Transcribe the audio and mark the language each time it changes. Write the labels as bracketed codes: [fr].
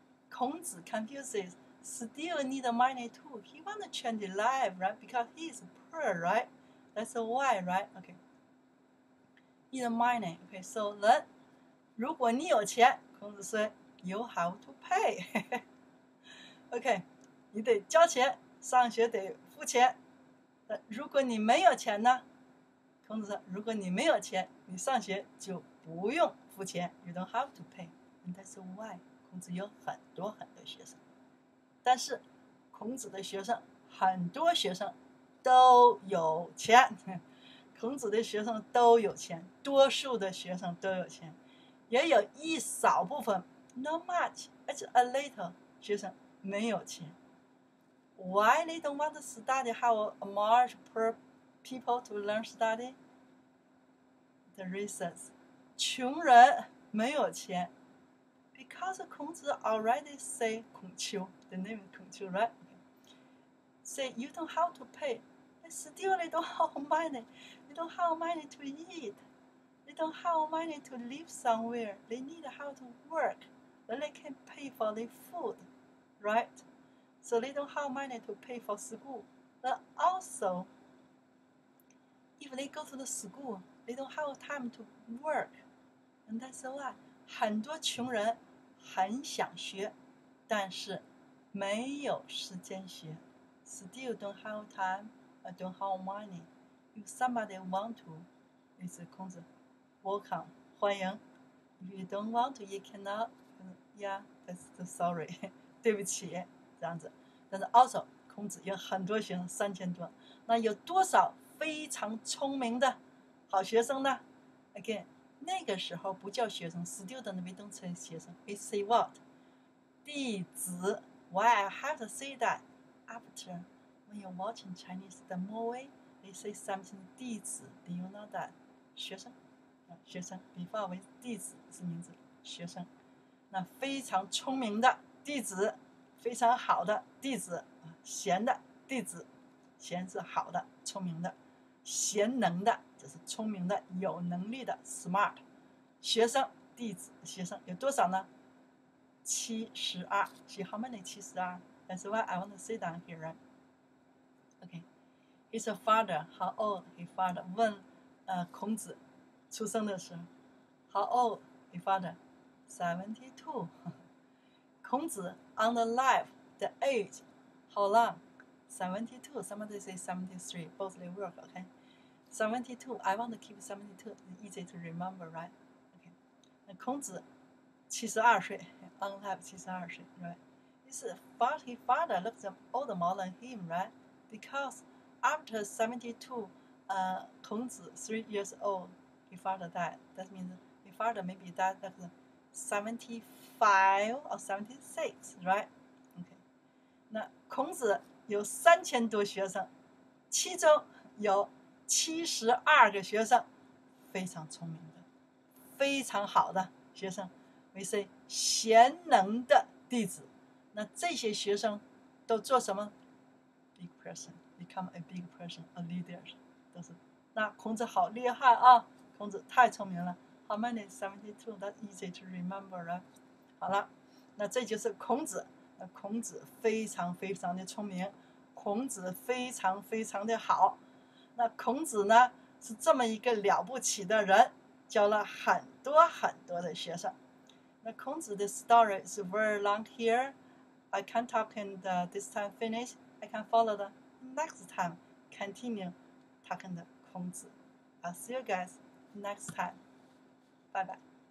[en] 孔子 Confucius still need money too he want to change his life right because he is poor right that's why right okay need money okay so then [zh] 如果你有钱孔子说 [en] you have to pay. [zh] OK, 你得交钱上学得付钱。如果你没有钱呢孔子说如果你没有钱你上学就不用付钱 [en] you don't have to pay. And that's why [zh] 孔子有很多很多学生。但是孔子的学生很多学生都有钱。孔子的学生都有钱多数的学生都有钱。也有一少部分 [en] not much, it's a little [zh] 学生没有钱 [en] why they don't want to study how much poor people to learn study the reasons [zh] 穷人没有钱 [en] because 孔子 already say 孔丘 the name is 孔丘 right say、so、you don't have to pay they still they don't have money they don't have money to eatDon't have money to live somewhere. They need how to work. Then they can pay for their food, right? so they don't have money to pay for school. But also, if they go to the school, they don't have time to work. And that's why [zh] 很多穷人很想学，但是没有时间学。 [en] Still don't have time, or don't have money. If somebody want to, it's a 空子 welcome, 欢迎。 If you don't want to, you cannot. Yeah, that's the sorry. [zh] 对不起，这样子。但是 [en] also, [zh] 孔子有很多学生，三千多。那有多少非常聪明的好学生呢？ Again, 那个时候不叫学生， student 没当成学生。 [en] It say what? 弟子。Why I have to say that? After, when you're watching Chinese, the movie, they say something, 弟子。 Do you know that? 学生。 [zh] 学生 before 为弟子是名字，学生，那非常聪明的弟子，非常好的弟子，贤的弟子，贤是好的，聪明的，贤能的就是聪明的，有能力的 smart， 学生弟子学生有多少呢？ [en] 七十二 ，see how many 七十二 ？That's why I want to sit down here. Okay, his father, how old his father? [zh] 问，孔子。出生的时候 [en] How old your father? 72 孔子 on the life, the age, how long? 72, somebody say 73, both they work, okay? 72, I want to keep 72, easy to remember, right? Okay. [zh] 孔子72岁 on life 72岁 right? [en] It's but his father looks older more than him, right? Because after 72, 孔子 3 years old,His father died. That means his father maybe died like 75 or 76, right? Okay. [zh] 那孔子有三千多学生，其中有七十二个学生非常聪明的，非常好的学生。 [en] We say 贤能的弟子。 [zh] 那这些学生都做什么 [en] ？Big person, become a big person, a leader. [zh] 都是。那孔子好厉害啊！孔子太聪明了 [en] How many? 72, that's easy to remember, right? [zh] 好了，那这就是孔子。那孔子非常非常的聪明，孔子非常非常的好。那孔子呢，是这么一个了不起的人，教了很多很多的学生。那孔子的 [en] story is very long here. I can't talk in the, this time finish. I can follow the next time. Continue talking the 孔子. I'll see you guys.Next time. Bye-bye.